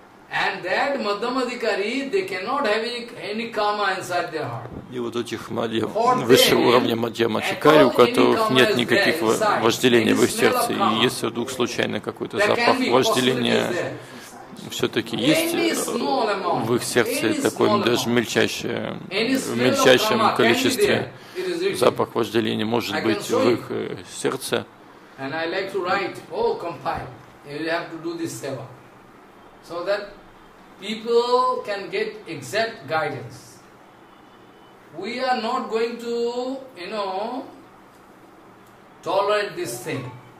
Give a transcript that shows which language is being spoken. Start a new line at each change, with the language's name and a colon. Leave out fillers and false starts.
English: And that madhyamadhikari, they cannot have any karma inside their heart.
Russian: И вот этих мадья, высшего уровня мадья-мачикари, у которых нет никаких вожделений в их сердце, и если вдруг случайно какой-то запах вожделения все-таки есть в их сердце, такой даже в мельчайшем количестве запах вожделения может быть в их сердце.
English: And I like to write, oh, compile, you have to do this seva. So that people can get exact guidance. We are not going to, you know, tolerate this thing.